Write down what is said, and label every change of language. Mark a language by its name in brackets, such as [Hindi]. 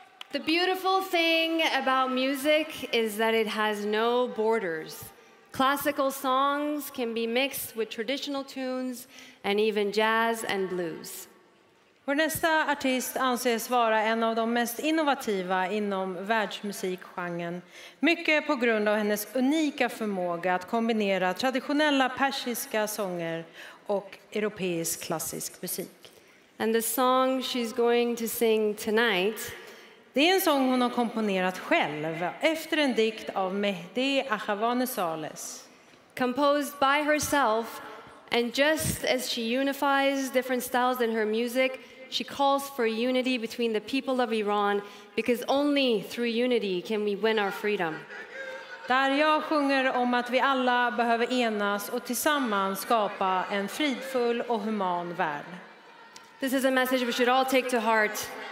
[English] The beautiful thing about music is that it has no borders. Classical songs can be mixed with traditional tunes and even jazz and blues. [Swedish] Vår nästa artist anses vara en av de mest innovativa inom världsmusikgenren. Mycket på grund av hennes unika förmåga att kombinera traditionella persiska sånger och europeisk klassisk musik. [English] And the song she's going to sing tonight. [Swedish] Det är en sång hon har komponerat själv efter en dikt av Mehdi Achavane Sales. [English] Composed by herself, and just as she unifies different styles in her music, she calls for unity between the people of Iran, because only through unity can we win our freedom. [Swedish] Dariya sjunger om att vi alla behöver enas och tillsammans skapa en fridfull och human värld. [English] This is a message we should all take to heart.